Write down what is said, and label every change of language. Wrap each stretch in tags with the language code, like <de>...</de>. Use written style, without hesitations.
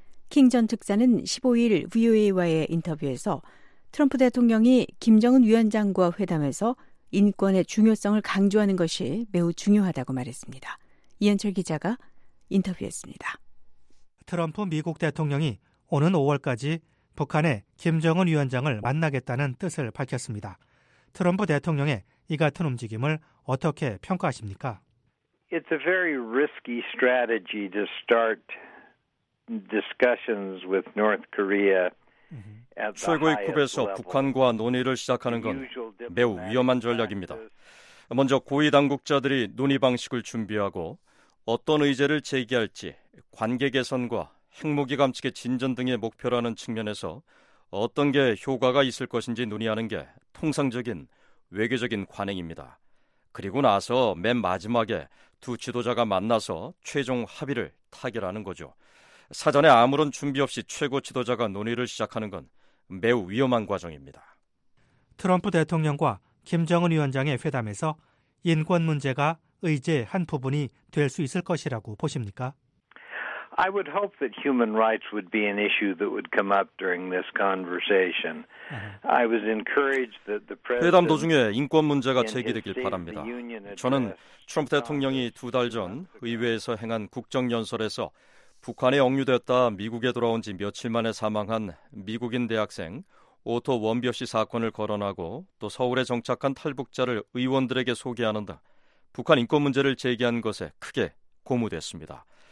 <ko>킹 전 특사는 15일 VOA와의 인터뷰에서 트럼프 대통령이 김정은 위원장과 회담해서 인권의 중요성을 강조하는 것이 매우 중요하다고 말했습니다. 이현철 기자가 인터뷰했습니다. 트럼프 미국 대통령이 오는 5월까지 북한의 김정은 위원장을 만나겠다는 뜻을 밝혔습니다. 트럼프 대통령의 이 같은 움직임을 어떻게 평가하십니까?</ko> <en>It's a very risky strategy to start discussions with North Korea.</en> <ko>최고의 급에서 북한과 논의를 시작하는 건 매우 위험한 전략입니다. 먼저 고위 당국자들이 논의 방식을 준비하고 어떤 의제를 제기할지 관계 개선과 핵무기 감축의 진전 등의 목표라는 측면에서 어떤 게 효과가 있을 것인지 논의하는 게 통상적인 외교적인 관행입니다. 그리고 나서 맨 마지막에 두 지도자가 만나서 최종 합의를 타결하는 거죠. 사전에 아무런 준비 없이 최고 지도자가 논의를 시작하는 건 매우 위험한 과정입니다. 트럼프 대통령과 김정은 위원장의 회담에서 인권 문제가 의제 한 부분이 될 수 있을 것이라고 보십니까?</ko> <en>I would hope that human rights would be an issue that would come up during this conversation. I was encouraged that the president</en> <ko>회담 도중에 인권 문제가 제기되길 바랍니다. 저는 트럼프 대통령이 두 달 전 의회에서 행한 국정 연설에서 북한에 억류됐다 미국에 돌아온 지 며칠 만에 사망한 미국인 대학생 오토 원비어 씨 사건을 거론하고 또 서울에 정착한 탈북자를 의원들에게 소개하는 등 북한 인권 문제를 제기한 것에 크게 고무됐습니다.</ko>